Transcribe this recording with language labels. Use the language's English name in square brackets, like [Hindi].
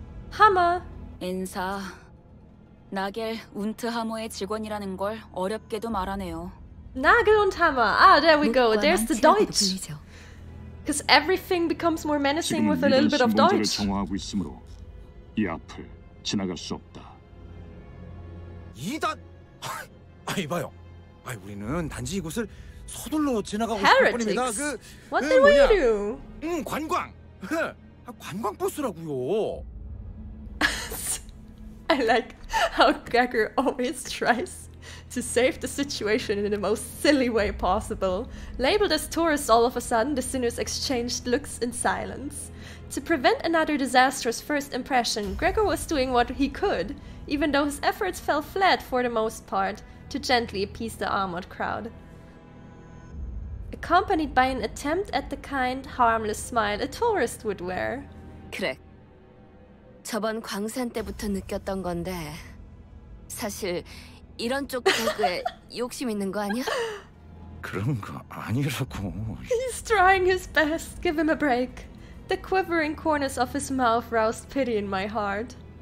[Korean] 하마! 엔사... 나겔 운트 하모의 직원이라는 걸 어렵게도 말하네요. [English] 나겔 운트 하모! Ah, there we go! There's the Deutsch! Because everything becomes more menacing with a little bit of Deutsch. [Korean] 지금 이단 신문제를 정화하고 있으므로 이 앞을 지나갈 수 없다. 이단! 아니, 이봐요! 아니, 우리는 단지 이곳을 서둘러 지나가고 싶을 뿐입니다. 그... [English] What did we do? [Korean] 관광! 관광 버스라고요! [English] I like how Gregor always tries to save the situation in the most silly way possible. Labeled as tourists all of a sudden, the sinners exchanged looks in silence. To prevent another disastrous first impression, Gregor was doing what he could, even though his efforts fell flat for the most part, to gently appease the armored crowd. Accompanied by an attempt at the kind, harmless smile a tourist would wear. [Korean] 그래, 저번 광산 때부터 느꼈던 건데 사실 이런 쪽 개그에 욕심 있는 거 아니야? 그런 거 아니라고. [English] He's trying his best. Give him a break. The quivering corners of his mouth roused pity in my heart.